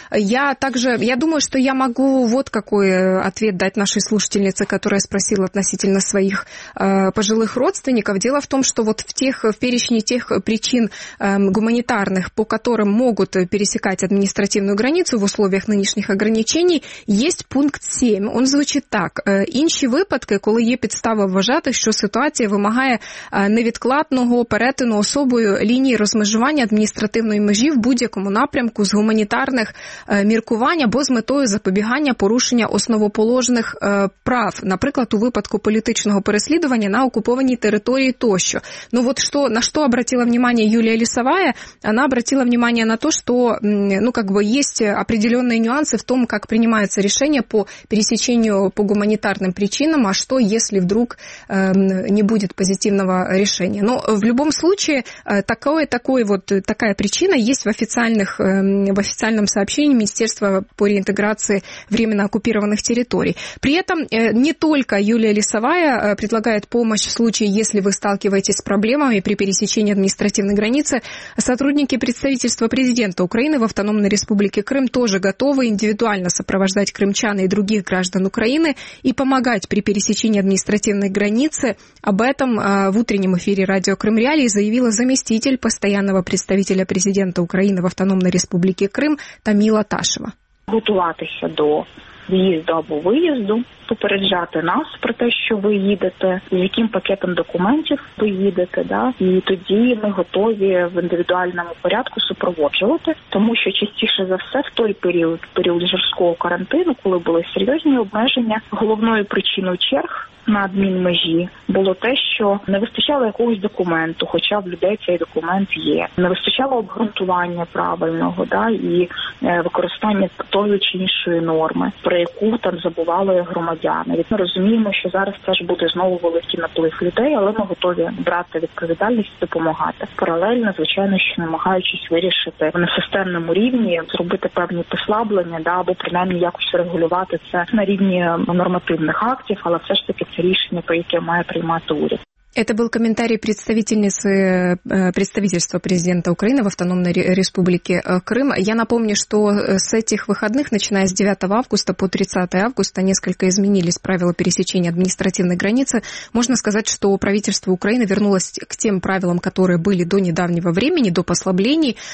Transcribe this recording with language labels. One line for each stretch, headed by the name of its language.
Russian: Я думаю, что я могу вот какой ответ дать нашей слушательнице, которая спросила относительно своих пожилых родственников. Дело в том, что вот в перечне тех причин гуманитарных, по которым могут пересекать административную границу в условиях нынешних ограничений, есть пункт 7. Он звучит так.
Ukrainian: Інші випадки, коли є підстава вважати, що ситуація вимагає невідкладного перетину особою лінії розмежування адміністративної межі в будь-якому напрямку з гуманітарних міркувань або з метою запобігання порушення основоположних прав, наприклад, у випадку політичного переслідування на окупованій території тощо. Ну от що, на що
Russian: обратила внимание Юлія Лісовая?
Ukrainian: Вона
Russian: обратила внимание на те, що, ну, как бы есть определенные нюансы в том, как принимается решение по пересечению по гуманитарным причинам, а что, если вдруг не будет позитивного решения. Но в любом случае такая причина есть в официальном сообщении Министерства по реинтеграции временно оккупированных территорий. При этом не только Юлия Лисовая предлагает помощь в случае, если вы сталкиваетесь с проблемами при пересечении административной границы. Сотрудники представительства президента Украины в автономной Республики Крым тоже готовы индивидуально сопровождать крымчан и других граждан Украины и помогать при пересечении административной границы. Об этом в утреннем эфире радио Крым Реалии заявила заместитель постоянного представителя президента Украины в автономной Республике Крым Тамила Ташева.
Ukrainian: Готуватися до в'їзду або виїзду, попереджати нас про те, що ви їдете, з яким пакетом документів ви їдете, да? І тоді ми готові в індивідуальному порядку супроводжувати, тому що частіше за все в той період жорсткого карантину, коли були серйозні обмеження, головною причиною черг на адмінмежі було те, що не вистачало якогось документу, хоча в людей цей документ є. Не вистачало обґрунтування правильного, да, і використання тої чи іншої норми, про яку там забували громадяни. Ми розуміємо, що зараз теж буде знову великий наплив людей, але ми готові брати відповідальність і допомагати. Паралельно, звичайно, що намагаючись вирішити на системному рівні, зробити певні послаблення, да, або принаймні якось регулювати це на рівні нормативних актів, але все ж таки
Russian: это решение, по которому я принимаю
Ukrainian: уряд.
Russian: Это был комментарий представительницы представительства президента Украины в Автономной Республике Крым. Я напомню, что с этих выходных, начиная с 9 августа по 30 августа, несколько изменились правила пересечения административной границы. Можно сказать, что правительство Украины вернулось к тем правилам, которые были до недавнего времени, до послаблений.